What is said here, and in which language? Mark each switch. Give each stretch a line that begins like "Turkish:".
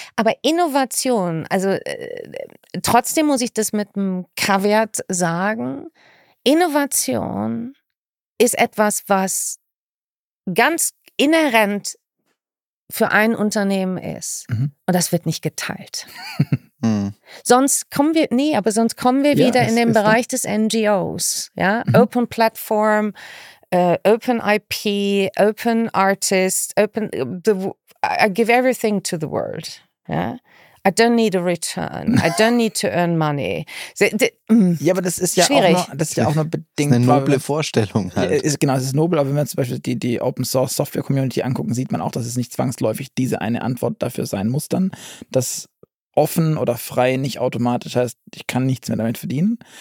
German: Aber Innovation, also trotzdem muss ich das mit einem Kaviat sagen, Innovation ist etwas, was ganz inhärent für ein Unternehmen ist. Mhm. Und das wird nicht geteilt. Sonst kommen wir wieder in den Bereich des NGOs. Ja? Mhm.
English: Open Platform, Open IP, Open Artist, I give everything to the world. Yeah? I don't need a return. I don't need to earn money.
German: Das ist ja auch nur bedingt. Das ist eine noble Vorstellung halt. Es ist nobel, aber wenn wir zum Beispiel die Open Source Software Community angucken, sieht man auch, dass es nicht zwangsläufig diese eine Antwort dafür sein muss, dann, dass offen oder frei nicht automatisch heißt, ich kann nichts mehr damit verdienen.